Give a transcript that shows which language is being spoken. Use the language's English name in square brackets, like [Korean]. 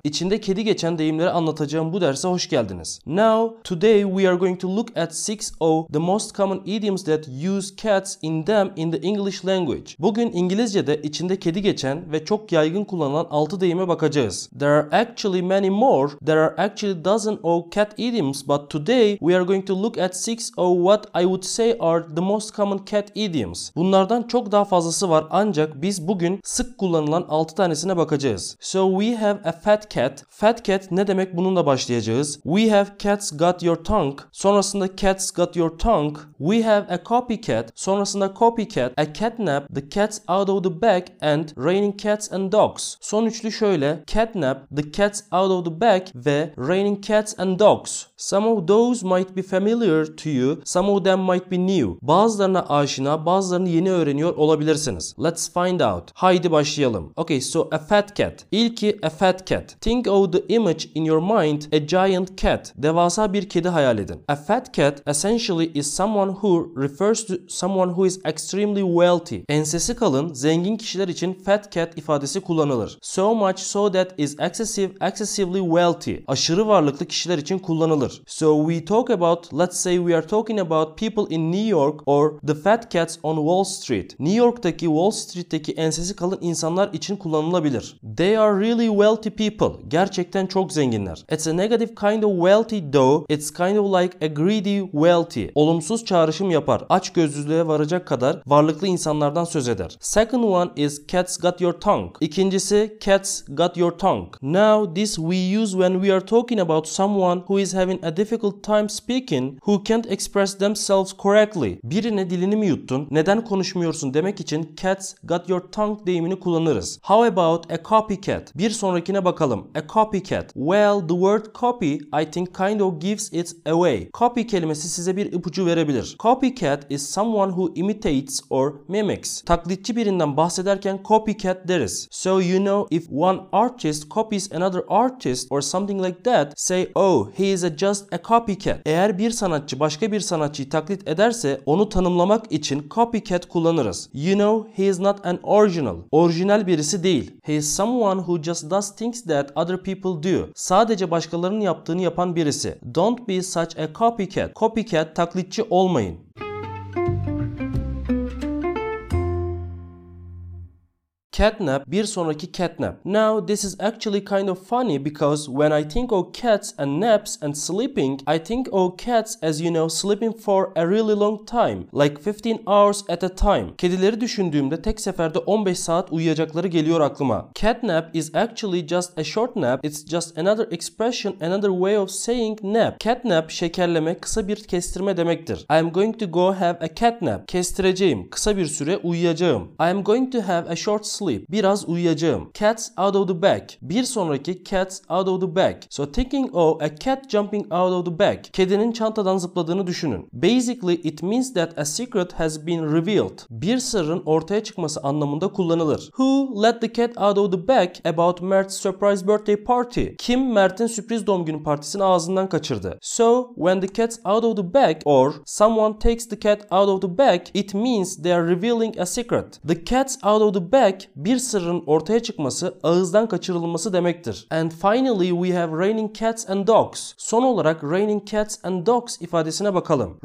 [Turkish] İçinde kedi geçen deyimleri anlatacağım bu derse hoş geldiniz. [English] Now, today we are going to look at 6 of the most common idioms that use cats in them in the English language. [Turkish] Bugün İngilizce'de içinde kedi geçen ve çok yaygın kullanılan 6 deyime bakacağız. [English] There are actually many more. There are actually dozens of cat idioms, but today we are going to look at 6 of what I would say are the most common cat idioms. [Turkish] Bunlardan çok daha fazlası var ancak biz bugün sık kullanılan 6 tanesine bakacağız. [English] So we have a fat cat. [Turkish] Fat cat ne demek, bununla başlayacağız. [English] We have cats got your tongue. [Turkish] Sonrasında [English] cats got your tongue. We have a copycat. [Turkish] Sonrasında [English] copycat. A catnap. The cats out of the bag. And raining cats and dogs. [Turkish] Son üçlü şöyle. [English] Catnap. The cats out of the bag. [Turkish] Ve [English] raining cats and dogs. Some of those might be familiar to you. Some of them might be new. [Turkish] Bazılarına aşina, bazılarını yeni öğreniyor olabilirsiniz. [English] Let's find out. [Turkish] Haydi başlayalım. [English] Okay, so a fat cat. [Turkish] İlki [English] a fat cat. Think of the image in your mind, a giant cat. [Turkish] Devasa bir kedi hayal edin. [English] A fat cat essentially is someone who refers to someone who is extremely wealthy. [Turkish] Ensesi kalın, zengin kişiler için fat cat ifadesi kullanılır. [English] So much so that is excessive, excessively wealthy. [Turkish] Aşırı varlıklı kişiler için kullanılır. [English] So we talk about, let's say we are talking about people in New York or the fat cats on Wall Street. [Turkish] New York'taki Wall Street'teki ensesi kalın insanlar için kullanılabilir. [English] They are really wealthy people. [Turkish] Gerçekten çok zenginler. [English] It's a negative kind of wealthy though. It's kind of like a greedy wealthy. [Turkish] Olumsuz çağrışım yapar. Açgözlülüğe varacak kadar varlıklı insanlardan söz eder. [English] Second one is cats got your tongue. [Turkish] İkincisi [English] cats got your tongue. Now this we use when we are talking about someone who is having a difficult time speaking, who can't express themselves correctly. [Turkish] Birine dilini mi yuttun? Neden konuşmuyorsun demek için cats got your tongue deyimini kullanırız. [English] How about a copycat? [Turkish] Bir sonrakine bakalım. [English] A copycat. Well, the word copy I think kind of gives it away. [Turkish] Copy kelimesi size bir ipucu verebilir. [English] Copycat is someone who imitates or mimics. [Turkish] Taklitçi birinden bahsederken copycat deriz. [English] So you know if one artist copies another artist or something like that, say oh he is just a copycat. [Turkish] Eğer bir sanatçı başka bir sanatçıyı taklit ederse onu tanımlamak için copycat kullanırız. [English] You know, he is not an original. [Turkish] Orijinal birisi değil. [English] He is someone who just does things that other people do. [Turkish] Sadece başkalarının yaptığını yapan birisi. [English] Don't be such a copycat. [Turkish] Copycat, taklitçi olmayın. Catnap, bir sonraki catnap. [English] Now, this is actually kind of funny because when I think of cats and naps and sleeping, I think of cats, as you know, sleeping for a really long time, like 15 hours at a time. [Turkish] Kedileri düşündüğümde tek seferde 15 saat uyuyacakları geliyor aklıma. [English] Catnap is actually just a short nap. It's just another expression, another way of saying nap. [Turkish] Catnap, şekerleme, kısa bir kestirme demektir. [English] I am going to go have a catnap. [Turkish] Kestireceğim, kısa bir süre uyuyacağım. [English] I am going to have a short sleep. [Turkish] Biraz uyuyacağım. [English] Cats out of the bag. [Turkish] Bir sonraki cats out of the bag. [English] So thinking of a cat jumping out of the bag. [Turkish] Kedinin çantadan zıpladığını düşünün. [English] Basically it means that a secret has been revealed. [Turkish] Bir sırrın ortaya çıkması anlamında kullanılır. [English] Who let the cat out of the bag about Mert's surprise birthday party? [Turkish] Kim Mert'in sürpriz doğum günü partisini ağzından kaçırdı? [English] So when the cat's out of the bag or someone takes the cat out of the bag, it means they are revealing a secret. The cat's out of the bag, [Turkish] bir sırrın ortaya çıkması, ağızdan kaçırılması demektir. [English] And finally we have raining cats and dogs. [Turkish] Son olarak raining cats and dogs ifadesine bakalım.